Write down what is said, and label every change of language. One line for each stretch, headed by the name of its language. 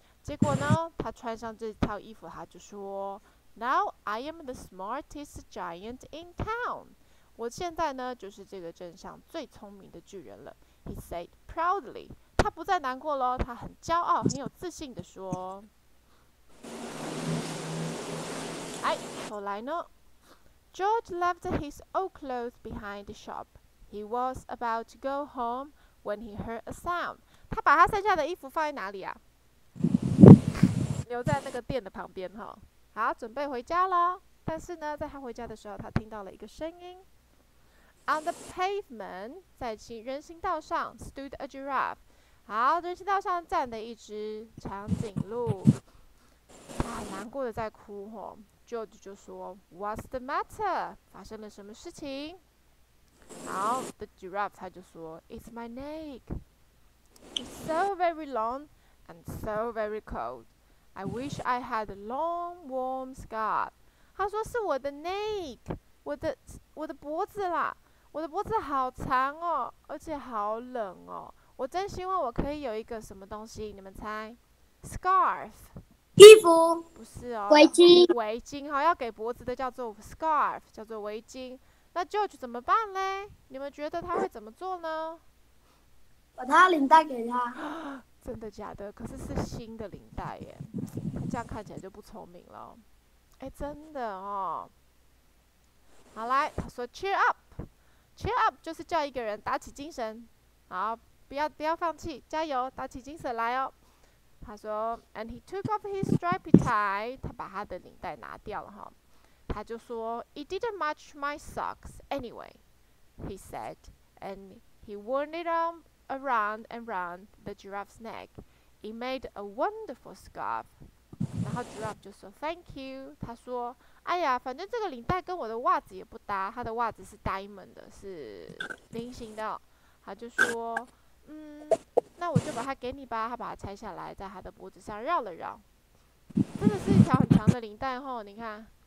Chinese: 结果呢，他穿上这套衣服，他就说 ，
English: Now I am the smartest giant in town。
Chinese: 我现在呢，就是这个镇上最聪明的巨人了。
English: He said proudly。
Chinese: 他不再难过了，他很骄傲，很有自信的说。哎，后来呢
English: ？George left his old clothes behind the shop. He was about to go home when he heard a sound。
Chinese: 他把他剩下的衣服放在哪里啊？留在那个店的旁边哈，好，准备回家了。但是呢，在他回家的时候，他听到了一个声音。
English: On the pavement，
Chinese: 在人行道上
English: stood a giraffe。
Chinese: 好，人行道上站的一只长颈鹿，他很难过的在哭哈。 George 就说 ，
English: What's the matter？
Chinese: 发生了什么事情？好
English: ，the giraffe
Chinese: 他就说
English: ，It's my neck. It's so very long and so very cold. I wish I had a long, warm scarf.
Chinese: 他说是我的 neck， 我的脖子啦，我的脖子好长哦，而且好冷哦。我真希望我可以有一个什么东西，你们猜 ？Scarf，衣服？不是哦，围巾。围巾，好，要给脖子的叫做 scarf， 叫做围巾。那 George 怎么办嘞？你们觉得他会怎么做呢？把他领带给他。真的假的？可是是新的领带耶，这样看起来就不聪明了。哎，真的哦。好，来，他说
English: cheer up，
Chinese: cheer up 就是叫一个人打起精神，好，不要放弃，加油，打起精神来哦。他说
English: ，and he took off his stripy tie，
Chinese: 他把他的领带拿掉了哈。他就说
English: ，it didn't match my socks anyway， he said, and he wound it on around and round the giraffe's neck. It made a wonderful scarf.
Chinese: 然后
English: giraffe
Chinese: 就说
English: thank you.
Chinese: 他说哎呀反正这个领带跟我的袜子也不搭，他的袜子是 diamond 的，是菱形的。他就说那我就把它给你吧。他把它拆下来在他的脖子上绕了绕，真的是一条很长的领带吼，你看。